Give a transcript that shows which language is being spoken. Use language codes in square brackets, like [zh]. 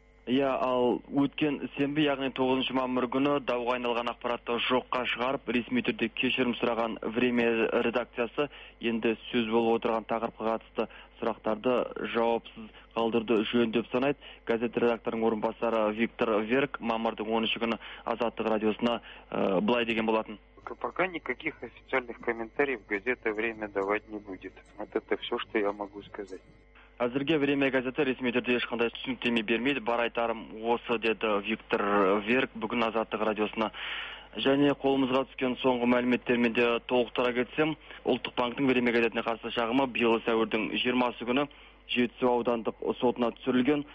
[kk] Иә, ал өткен сенбі, яғни 9 мамыр күні дауға айналған ақпаратты жоққа шығарып, ресми түрде кешірім сұраған Время редакциясы енді сөз болып отырған тақырыпқа қатысты сұрақтарды жауапсыз қалдырды жөн деп санайды. Газет редакторының орынбасары Виктор Верк мамырдың 13 күні Азаттық радиосына былай деген болатын. [ru] Пока никаких официальных комментариев газета «Время» давать не будет. Вот это все, что я могу сказать. [kk] Әзірге Время газеті ресми түрде ешқандай түсініктеме бермейді. Бар айтарым осы, деді Виктор Верк бүгін Азаттық радиосына. Және қолымызға түскен соңғы мәліметтермен де толықтыра кетсем, ұлттық банктің Время газетіне қарсы шағымы биыл сәуірдің 20-сы күні Жетісу аудандық сотына түсірілген.